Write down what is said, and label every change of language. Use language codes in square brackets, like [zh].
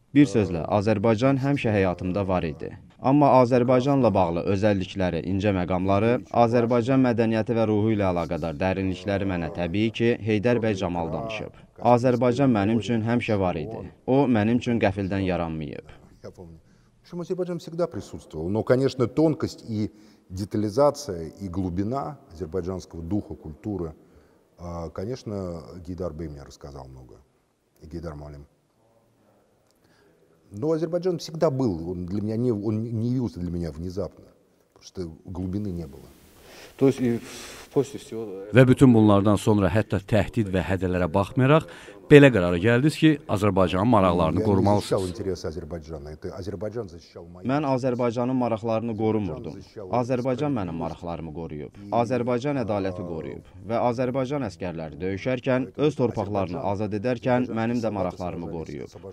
[az] Bir sözlə, Azərbaycan həmişə həyatımda var idi. Amma Azərbaycanla bağlı özəllikləri, incə məqamları, Azərbaycan mədəniyyəti və ruhu ilə əlaqədar dərinlikləri mənə təbii ki, Heydər bəy Cəmal danışıb. Azərbaycan mənim üçün həmişə var idi. O, mənim üçün qəfildən yaranmayıb. [ru] Azərbaycan всегда присутствовал, но, конечно, тонкость и детализация и глубина азербайджанского духа, культуры, конечно, Гейдар бей мне рассказал много. Гейдар Малим. Но Азербайджан всегда был, он не явился для меня внезапно, потому что глубины не было. То есть и после всего. [az] Ve bütün bunlardan sonra hətta təhdid və hədələrə baxmayaraq belə qərara gəldiniz ki, Azərbaycanın maraqlarını qorumalısınız. Mən Azərbaycanın maraqlarını qorumurdum. Azərbaycan mənim maraqlarımı qoruyub. Azərbaycan ədaləti qoruyub. Və Azərbaycan əsgərləri döyüşərkən, öz torpaqlarını azad edərkən mənim də maraqlarımı qoruyub.